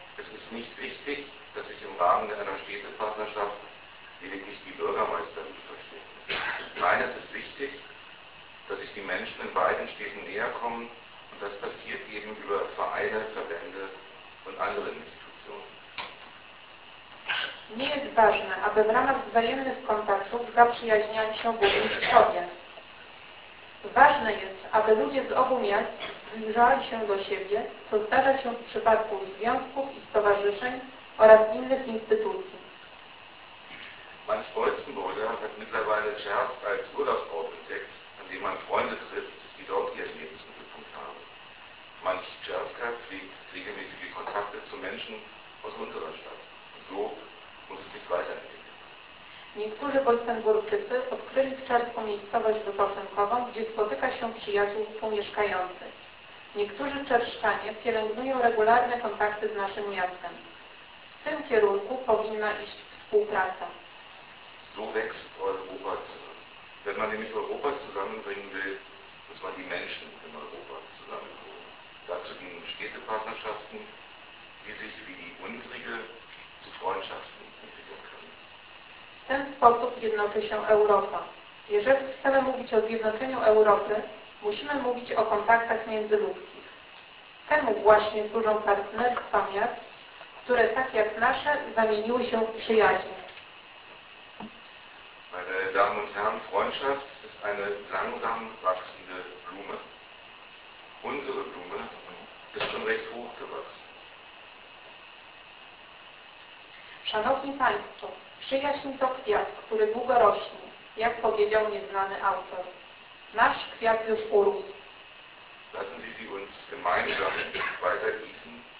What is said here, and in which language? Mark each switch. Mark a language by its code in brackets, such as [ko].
[de] Es ist nicht wichtig, dass sich im Rahmen einer Städtepartnerschaft lediglich die Bürgermeister gut verstehen. Nein, es ist wichtig, dass sich die Menschen in beiden Städten näher kommen und das passiert eben über Vereine, Verbände und andere Institutionen. [pl] Nie jest ważne, aby w ramach wzajemnych kontaktów zaprzyjaźniali się burmistrzowie. Ważne jest, aby ludzie z obu miast zbliżali się do siebie, co zdarza się w przypadku związków i stowarzyszeń oraz innych instytucji. [de] Manch Bolzenburger hat mittlerweile Czerst als Urlaubsort entdeckt, an dem man Freunde trifft, die dort ihren Lebensmittelpunkt haben. Manch Czerstka pflegt regelmäßige Kontakte zu Menschen aus unserer Stadt. So muss es sich weiterentwickeln. [pl] Niektórzy Bolzenburczycy odkryli w Czerstku miejscowość wypoczynkową, gdzie spotyka się przyjaciół współmieszkających. Niektórzy czerszczanie pielęgnują regularne kontakty z naszym miastem. W tym kierunku powinna iść współpraca. [de] So wächst Europa zusammen. Wenn man nämlich Europa zusammenbringen will, muss man die Menschen in Europa zusammenbringen. Dazu dienen Städtepartnerschaften, die sich wie die unsrige zu Freundschaften entwickeln können. [pl] W ten sposób jednoczy się Europa. Jeżeli chcemy mówić o zjednoczeniu Europy, musimy mówić o kontaktach międzyludzkich. Temu właśnie służą partnerstwa miast, które tak jak nasze zamieniły się w przyjaźń. [de] Meine Damen und Herren, Freundschaft ist eine langsam wachsende Blume. Unsere Blume ist schon recht hoch gewachsen. [pl] Szanowni Państwo, przyjaźń to kwiat, który długo rośnie, jak powiedział nieznany autor. Nasz kwiat już urósł. [de] Lassen Sie uns gemeinsam weiter gießen.